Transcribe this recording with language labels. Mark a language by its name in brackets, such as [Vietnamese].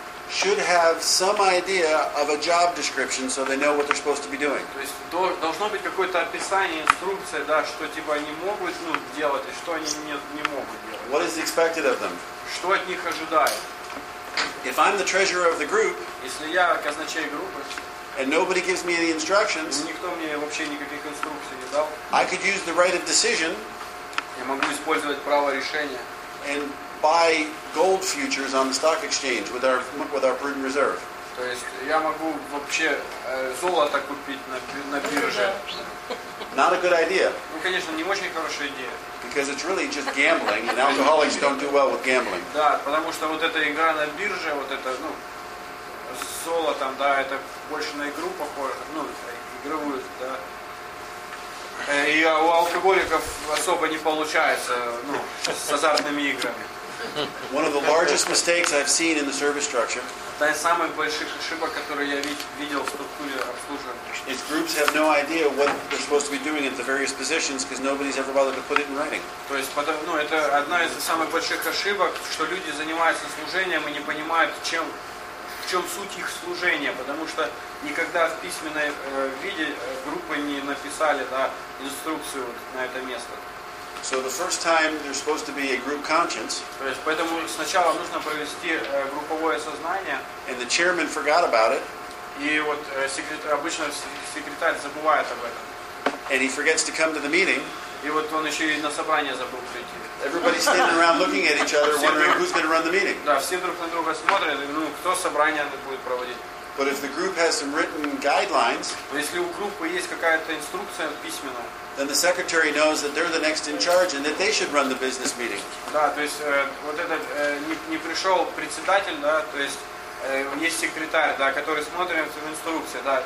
[English] Should have some idea of a job description so they know what they're supposed to be doing. [Russian] То есть должно быть какое-то описание, инструкция, да, что типа они могут, ну, делать и что они не могут делать. [English] What is expected of them? [Russian] Что от них ожидают? [English] If I'm the treasurer of the group, [Russian] если я казначей группы, [English] and nobody gives me any instructions, [Russian] никто мне вообще никаких инструкций не дал, [English] I could use the right of decision. [Russian] Я могу использовать право решения. [English] And buy gold futures on the stock exchange with our prudent reserve. [Russian] То есть я могу вообще золото купить на бирже. [English] Not a good idea. [Russian] Ну, конечно, не очень хорошая идея. [English] Because it's really just gambling, and alcoholics don't do well with gambling. [Russian] Да, потому что вот эта игра на бирже, вот это, ну, золотом, да, это больше на игру похоже, ну, игровую, да. И у алкоголиков особо не получается, ну, с азартными играми. [English] One of the largest mistakes I've seen in the service structure. [Russian] Одна из самых больших ошибок, которые я видел в структуре обслуживания. [English] Its groups have no idea what they're supposed to be doing at the various positions because nobody's ever bothered to put it in writing. [Russian] То есть, ну, это одна из самых больших ошибок, что люди занимаются служением и не понимают, в чем суть их служения, потому что никогда в письменном виде группы не написали, да, инструкцию на это место. [English] So the first time there's supposed to be a group conscience. [Russian] То есть поэтому сначала нужно провести групповое сознание. [English] And the chairman forgot about it. [Russian] И вот обычно секретарь забывает об этом. [English] And he forgets to come to the meeting. [Russian] И вот он еще и на собрание забыл прийти. [English] Everybody's standing around looking at each other, wondering who's going to run the meeting. [Russian] Да, все друг на друга смотрят, ну, кто собрание будет проводить. [English] But if the group has some written guidelines. [Russian] Если у группы есть какая-то инструкция письменная. [English] Then the secretary knows that they're the next in charge and that they should run the business meeting. [Russian] Да, то есть вот этот не пришел председатель, да, то есть есть секретарь, да, который смотрит в инструкции, да.